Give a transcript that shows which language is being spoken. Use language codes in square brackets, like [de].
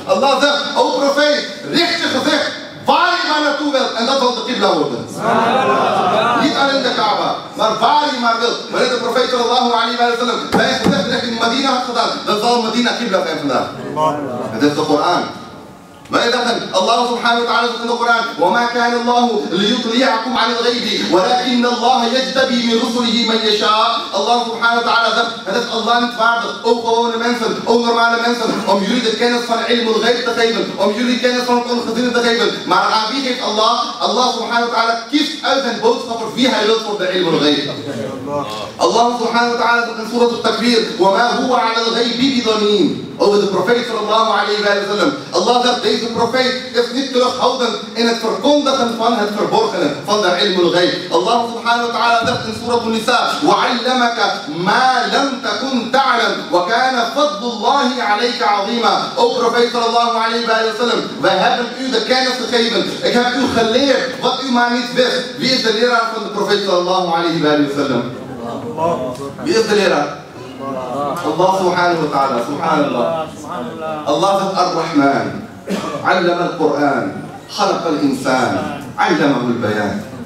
[nl] Allah zegt, o profeet, richt je gezicht waar je maar naartoe wilt, en dat zal de qibla worden. Niet alleen de Kaaba, maar waar je maar wilt. Wanneer de profeet sallallahu alayhi wa sallam bij zijn gezicht richting Medina had gedaan, dan zal Medina qibla zijn vandaag. Het is de Koran. Wij dachten, Allah subhanahu wa ta'ala zegt in de Koran, [ar] وَمَا كَانَ اللَّهُ لِيُطْلِيَعْكُمْ عَلِ الْغَيْبِ وَلَكِنَّ اللَّهَ يَجْتَبِي مِنْ رُسُلِهِ مَنْ يَشَاءَ. [nl] Allah subhanahu wa ta'ala zegt, het is Allah niet waardig, ook gewone mensen, ook normale mensen, om jullie de kennis van ilmul ghaib te geven, om jullie kennis van het ongezien te geven. Maar aan wie geeft Allah? Allah subhanahu wa ta'ala kiest uit zijn boodschapper wie hij wil voor de ilmul ghaib. Allah subhanahu wa ta'ala zegt in surat al-Takbir, [ar] وَمَا هُوَ عَلَى الْغَيْبِ بِضَمِينَ. [nl] Over de profeet sallallahu alayhi wa sallam. Allah zegt, deze profeet is niet terughoudend in het verkondigen van het verborgenen van de ilmul ghaib. Allah subhanahu wa ta'ala zegt in surah An-Nisa, [ar] وَعَلَّمَكَ مَا لَمْ تَكُنْ تَعْلَمْ وَكَانَ فَضْلُ اللَّهِ عَلَيْكَ عَظِيمًا. [nl] O profeet sallallahu alayhi wa sallam, wij hebben u de kennis gegeven. Ik heb u geleerd wat u maar niet wist. Wie is de leraar van de profeet sallallahu alayhi wa sallam? Wie is de leraar? Allah subhanahu wa ta'ala, subhanallah. Allah zegt ar-Rahman, [ar] allama al-Qur'an, khalaq al-insan, allamahu al-bayan.